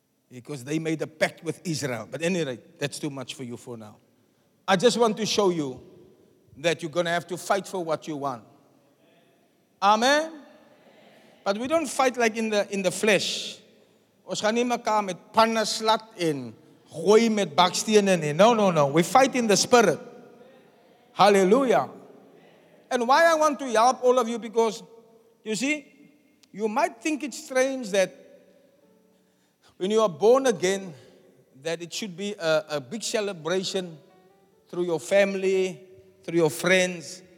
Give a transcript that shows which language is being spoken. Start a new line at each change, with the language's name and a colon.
English: Because they made a pact with Israel. But anyway, that's too much for you for now. I just want to show you that you're going to have to fight for what you want. Amen? But we don't fight like in the flesh.
Afrikaans: Ons gaan nie mekaar met panne slat en gooi met bakstene nie.
English: No, no, no. We fight in the spirit. Hallelujah. And why I want to help all of you, because you see, you might think it's strange that when you are born again, that it should be a big celebration through your family, through your friends.